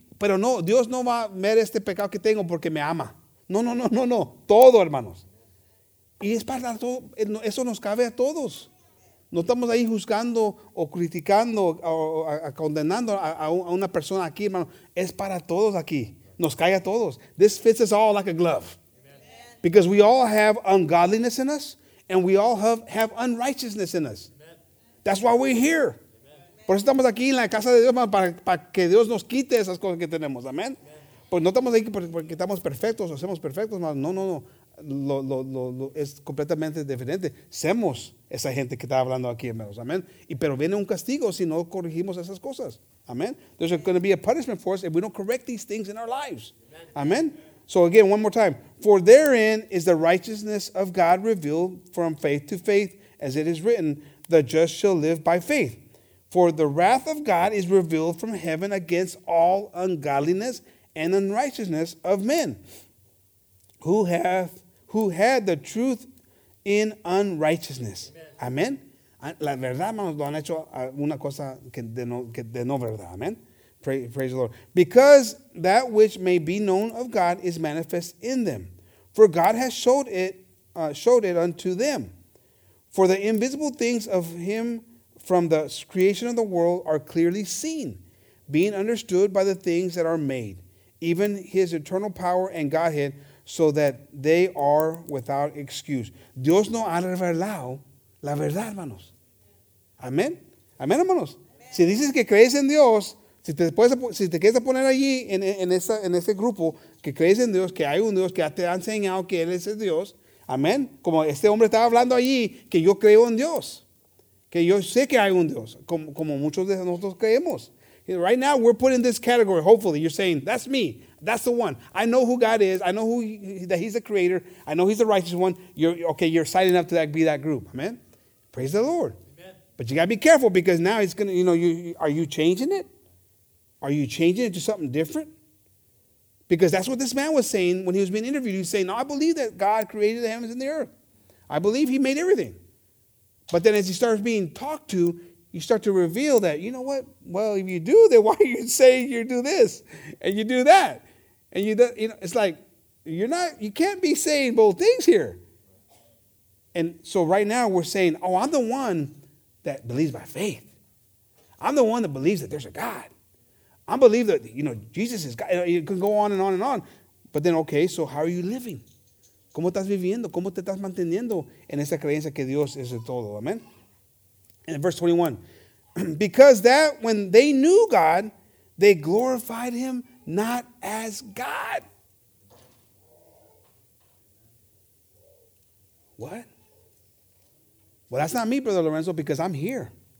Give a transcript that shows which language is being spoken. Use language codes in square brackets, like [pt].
[es] Pero no, Dios no va a ver este pecado que tengo porque me ama. No, no, no, no, no. Todo, hermanos. Y es para todo. Eso nos cabe a todos. No estamos ahí juzgando o criticando o condenando a una persona aquí, hermano. Es para todos aquí. Nos cae a todos. [en] This fits us all like a glove. Because we all have ungodliness in us, and we all have unrighteousness in us. [es] Amen. [en] That's why we're here. [es] Amen. Por eso estamos aquí en la casa de Dios, para que Dios nos quite esas cosas que tenemos. Amén. Pues no estamos ahí porque estamos perfectos o somos perfectos. No, no, no. Lo es completamente diferente. Somos esa gente que está hablando aquí, hermanos. Amén. Pero viene un castigo si no corregimos esas cosas. Amén. [en] There's going to be a punishment for us if we don't correct these things in our lives. Amén. So again, one more time. For therein is the righteousness of God revealed from faith to faith, as it is written, the just shall live by faith. For the wrath of God is revealed from heaven against all ungodliness and unrighteousness of men, who had the truth in unrighteousness. Amen. [es] La verdad, hermanos, lo han hecho una cosa que de no verdad. [en] Amen. Praise the Lord. Because that which may be known of God is manifest in them. For God has showed it unto them. For the invisible things of him from the creation of the world are clearly seen, being understood by the things that are made, even his eternal power and Godhead, so that they are without excuse. [es] Dios no ha revelado la verdad, hermanos. Amén. Amén, hermanos. Amen. Si dices que crees en Dios, si te quieres poner allí en ese grupo que crees en Dios, que hay un Dios que te ha enseñado que Él es Dios, amén. Como este hombre estaba hablando allí, que yo creo en Dios, que yo sé que hay un Dios, como muchos de nosotros creemos. [en] Right now, we're put in this category, hopefully. You're saying, that's me. That's the one. I know who God is. I know that he's the creator. I know he's the righteous one. You're signing up to be that group. Amen. Praise the Lord. Amen. But you got to be careful, because now it's going to, you know, are you changing it? Are you changing it to something different? Because that's what this man was saying when he was being interviewed. He was saying, no, I believe that God created the heavens and the earth. I believe he made everything. But then as he starts being talked to, you start to reveal that, you know what? Well, if you do, then why are you saying you do this and you do that? And you know, it's like, you can't be saying both things here. And so right now we're saying, oh, I'm the one that believes by faith. I'm the one that believes that there's a God. I believe that, you know, Jesus is God. You can go on and on and on. But then, okay, so how are you living? [es] ¿Cómo estás viviendo? ¿Cómo te estás manteniendo en esa creencia que Dios es el todo? Amen. [en] And verse 21, because that when they knew God, they glorified him not as God. What? Well, that's not me, Brother Lorenzo, because I'm here.